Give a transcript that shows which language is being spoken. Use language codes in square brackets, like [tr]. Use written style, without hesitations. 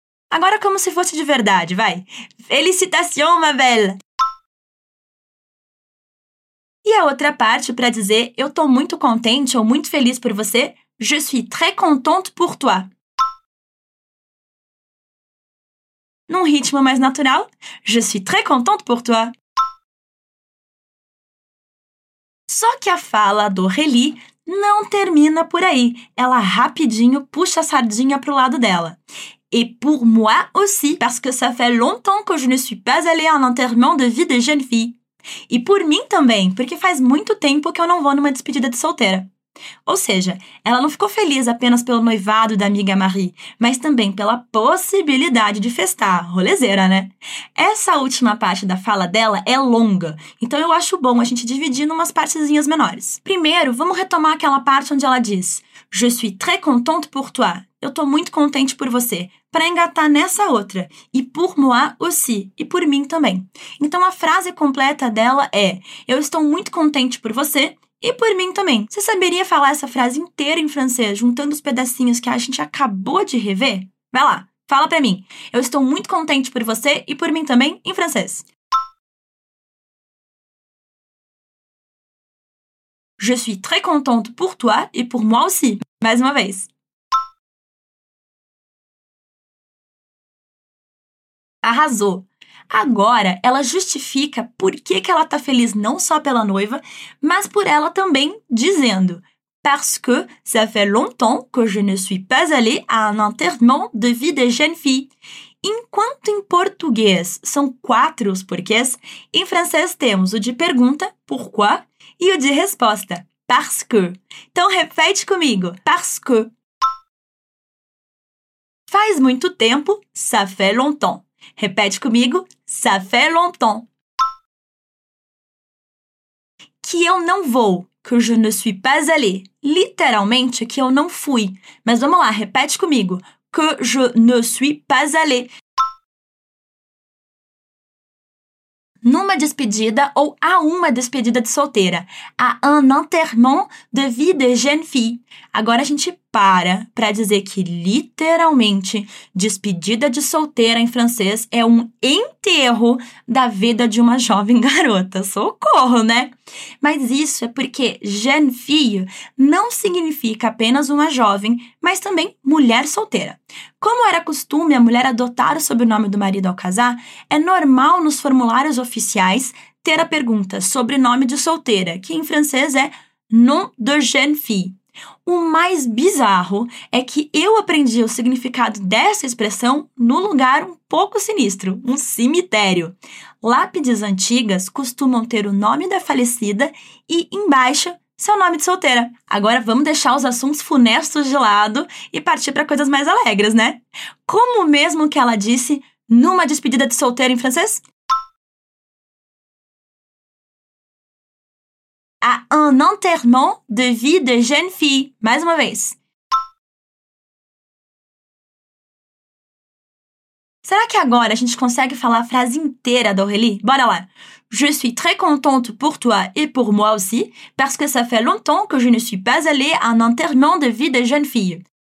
[pt] Agora como se fosse de verdade, vai! [fr] Félicitations, ma belle! [pt] E a outra parte para dizer eu tô muito contente ou muito feliz por você, [fr] je suis très contente pour toi. [pt] Num ritmo mais natural, [fr] je suis très contente pour toi. [pt] Só que a fala do Aurélie não termina por aí. Ela rapidinho puxa a sardinha pro lado dela. [fr] Et pour moi aussi, parce que ça fait longtemps que je ne suis pas allée à l'enterrement de vie de jeune fille. [pt] E por mim também, porque faz muito tempo que eu não vou numa despedida de solteira. Ou seja, ela não ficou feliz apenas pelo noivado da amiga Marie, mas também pela possibilidade de festar, rolezeira, né? Essa última parte da fala dela é longa, então eu acho bom a gente dividir em umas partezinhas menores. Primeiro, vamos retomar aquela parte onde ela diz [fr] Je suis très contente pour toi. [pt] Eu tô muito contente por você. Para engatar nessa outra. E [fr] pour moi aussi. [pt] E por mim também. Então, a frase completa dela é Eu estou muito contente por você e por mim também. Você saberia falar essa frase inteira em francês, juntando os pedacinhos que a gente acabou de rever? Vai lá, fala pra mim. Eu estou muito contente por você e por mim também em francês. [fr] Je suis très contente pour toi et pour moi aussi. Mais une fois. [pt] Arrasou. Agora, ela justifica por que ela está feliz não só pela noiva, mas por ela também, dizendo [fr] Parce que ça fait longtemps que je ne suis pas allée à un enterrement de vie de jeune fille. [pt] Enquanto em português são quatro os porquês, em francês temos o de pergunta, pourquoi, e o de resposta, parce que. Então, repete comigo, parce que. Faz muito tempo, [fr] ça fait longtemps. [pt] Repete comigo, [fr] ça fait longtemps. [pt] Que eu não vou, [fr] que je ne suis pas allé. [pt] Literalmente, que eu não fui. Mas vamos lá, repete comigo, [fr] que je ne suis pas allé. [pt] Numa despedida ou a uma despedida de solteira. [fr] A un enterrement de vie de jeune fille. [pt] Agora a gente para para dizer que, literalmente, despedida de solteira em francês é um enterro da vida de uma jovem garota. Socorro, né? Mas isso é porque jeune fille não significa apenas uma jovem, mas também mulher solteira. Como era costume a mulher adotar o sobrenome do marido ao casar, é normal nos formulários oficiais ter a pergunta sobrenome de solteira, que em francês é nom de jeune fille. O mais bizarro é que eu aprendi o significado dessa expressão num lugar um pouco sinistro, um cemitério. Lápides antigas costumam ter o nome da falecida e, embaixo, seu nome de solteira. Agora vamos deixar os assuntos funestos de lado e partir para coisas mais alegres, né? Como mesmo que ela disse numa despedida de solteira em francês? [fr] À un enterrement de vie de jeune fille. [pt] Mais uma vez. Será que agora a gente consegue falar a frase inteira da Aurélie? Bora lá. [fr] Je suis très contente pour toi et pour moi aussi, parce que ça fait longtemps que je ne suis pas allée à un enterrement de vie de jeune fille.